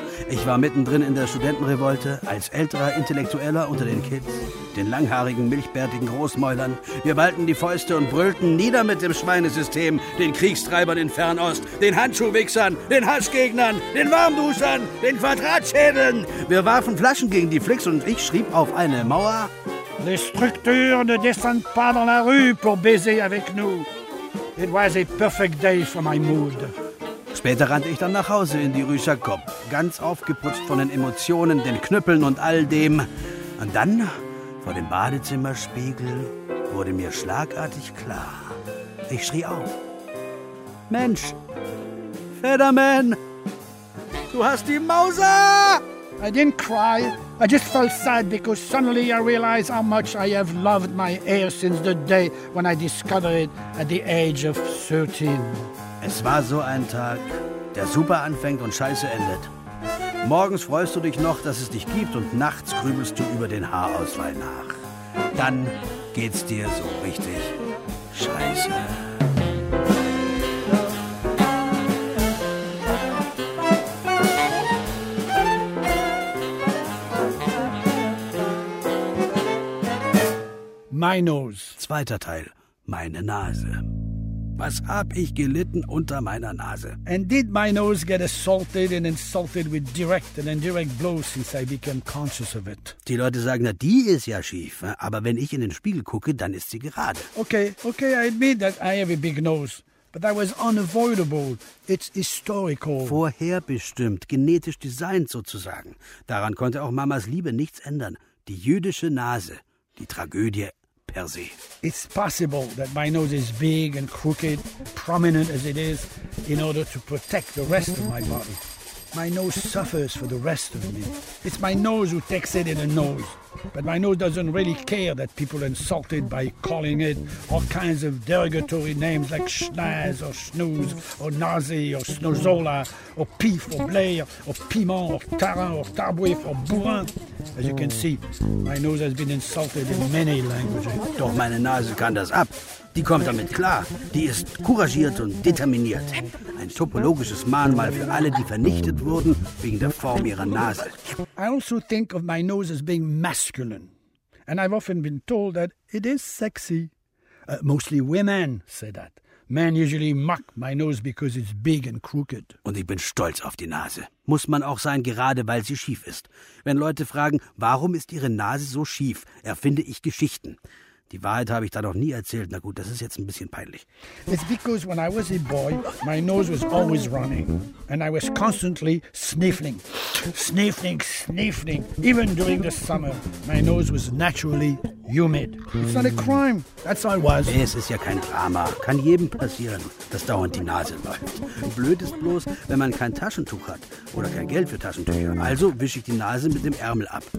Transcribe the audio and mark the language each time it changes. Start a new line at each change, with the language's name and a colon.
German: Ich war mittendrin in der Studentenrevolte, als älterer Intellektueller unter den Kids, den langhaarigen, milchbärtigen Großmäulern. Wir ballten die Fäuste und brüllten nieder mit dem Schweinesystem, den Kriegstreibern in Fernost, den Handschuhwichsern, den Haschgegnern, den Warmduschern, den Quadratschädeln. Wir warfen Flaschen gegen die Flicks und ich schrieb auf eine Mauer:
French: Les structures ne descendent pas dans la rue pour baiser avec nous.
English: It was a perfect day for my mood.
German: Später rannte ich dann nach Hause in die Rue Jacob, ganz aufgeputzt von den Emotionen, den Knüppeln und all dem. Und dann, vor dem Badezimmerspiegel, wurde mir schlagartig klar. Ich schrie auf. Mensch, Federman, du hast die Mauser!
English: I didn't cry. I just felt sad because suddenly I realized how much I have loved my hair since the day when I discovered it at the age of 13.
German: Es war so ein Tag, der super anfängt und scheiße endet. Morgens freust du dich noch, dass es dich gibt und nachts grübelst du über den Haarausfall nach. Dann geht's dir so richtig scheiße.
English: My nose.
German: Zweiter Teil, meine Nase. Was hab ich gelitten unter meiner Nase?
English: And did my nose get assaulted and insulted with direct and indirect blows since I became conscious of it?
German: Die Leute sagen, na, die ist ja schief, aber wenn ich in den Spiegel gucke, dann ist sie gerade.
English: Okay, I admit that I have a big nose. But that was unavoidable. It's historical.
German: Vorherbestimmt, genetisch designed sozusagen. Daran konnte auch Mamas Liebe nichts ändern. Die jüdische Nase. Die Tragödie per se.
English: It's possible that my nose is big and crooked, prominent as it is, in order to protect the rest of my body. My nose suffers for the rest of me. It's my nose who takes it in the nose. But my nose doesn't really care that people insult it by calling it all kinds of derogatory names like schnaz or schnooze or nazi or snozola or pif or blair or piment or tarin or tarbouif or bourrin. As you can see, my nose has been insulted in many languages.
German: Doch meine Nase kann das ab. Die kommt damit klar. Die ist couragiert und determiniert. Ein topologisches Mahnmal für alle, die vernichtet wurden wegen der Form ihrer Nase.
English: I also think of my nose as being masculine. And I've often been told that it is sexy. Mostly women say that. Men usually mock my nose because it's big and crooked.
German: Und ich bin stolz auf die Nase. Muss man auch sein, gerade weil sie schief ist. Wenn Leute fragen, warum ist ihre Nase so schief, erfinde ich Geschichten. Die Wahrheit habe ich da noch nie erzählt. Na gut, das ist jetzt ein bisschen peinlich.
English: It's because when I was a boy, my nose was always running. And I was constantly sniffling. Sniffling, sniffling. Even during the summer, my nose was naturally humid. It's not a crime. That's how it was.
German: Es ist ja kein Drama. Kann jedem passieren, dass dauernd die Nase läuft. Blöd ist bloß, wenn man kein Taschentuch hat oder kein Geld für Taschentücher. Also wische ich die Nase mit dem Ärmel ab.